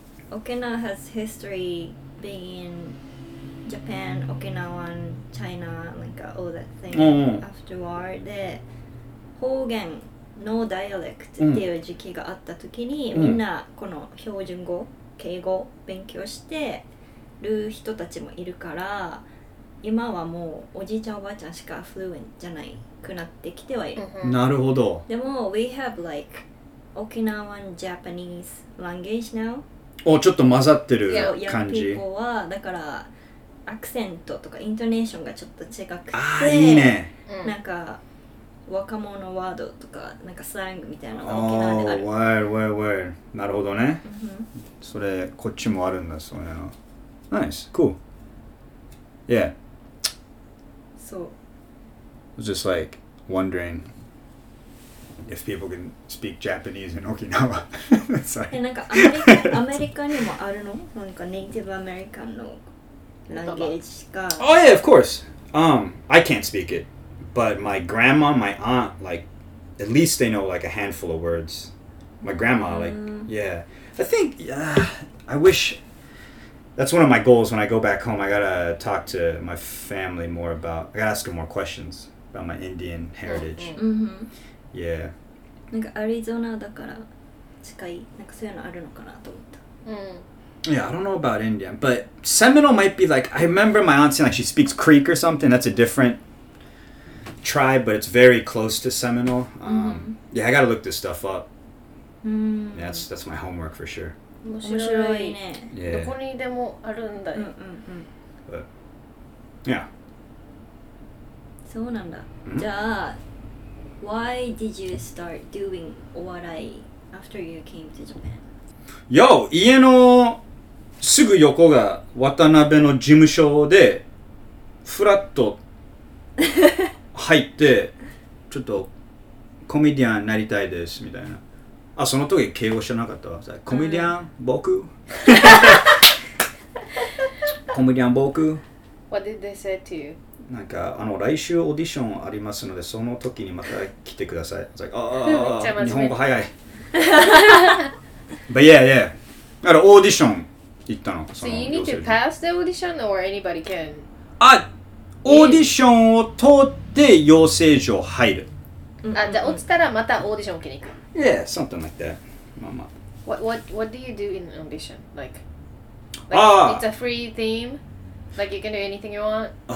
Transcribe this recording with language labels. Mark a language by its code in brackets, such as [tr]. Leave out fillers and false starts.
[en] Because Okinawa has history being in Japan, Okinawa, and China, like all that thing after war. [ja] で、方言、no dialect っていう時期があった時に、みんなこの標準語、敬語勉強してる人たちもいるから、今はもうおじいちゃんおばあちゃんしか fluent じゃないくなってきてはいる。なるほど。でも、 [en] we have like Okinawan Japanese language now. [ja] お、ちょっと混ざってる感じ。 [en] Young people [ja] は、だから、アクセントとかイントネーションがちょっと違くて、あーいいね、なんか若者ワードとかなんかスラングみたいなのが沖縄である。おー、わーい、わーい、なるほどね、うん、それこっちもあるんだ、そういうの。 [en] ナイス、クール。Yeah. So. I was just like wondering if people can speak Japanese in Okinawa. Sorry. [ja] なんかアメリカにもあるの？なんかネイティブアメリカンの [en] Oh, yeah, of course. I can't speak it. But my grandma, my aunt, like, at least they know, like, a handful of words. My grandma, like, yeah. I think, I wish... That's one of my goals when I go back home. I gotta talk to my family more about... I gotta ask them more questions about my Indian heritage. Yeah. [ja] Like, Arizona, だから近い。なんかそういうのあるのかなと思った。 [en] Yeah, I don't know about Indian, but Seminole might be like, I remember my aunt saying like she speaks Creek or something. That's a different tribe, but it's very close to Seminole. Yeah, I gotta look this stuff up. Yeah, that's my homework for sure. [ja] 面白いね。 [en] Yeah. [ja] どこにでもあるんだよ。 [en] But, yeah. [ja] そうなんだ。じゃあ、 [en] why did you start doing お笑い after you came to Japan? [ja] Yo, 家のすぐ横が渡辺の事務所で、フラッと入って、ちょっとコメディアンになりたいですみたいな。あ、その時敬語してなかったわ。コメディアン、僕コメディアン、僕 [en] What did they say to you? [ja] なんか、あの、来週オーディションありますので、その時にまた来てください。 [en] It's like, [ja] ああ、日本語早い。 [en] But yeah, yeah. [ja] だからオーディション行ったの。 [en] So you need to pass the audition or anybody can? [ja] あ、オーディションを通って養成所入る。あ、じゃあ落ちたらまたオーディション受けに行く。 [en] Yeah, something like that. [ja] まあまあ。 [en] What do you do in an audition? Like, it's a free theme? Like you can do anything you want?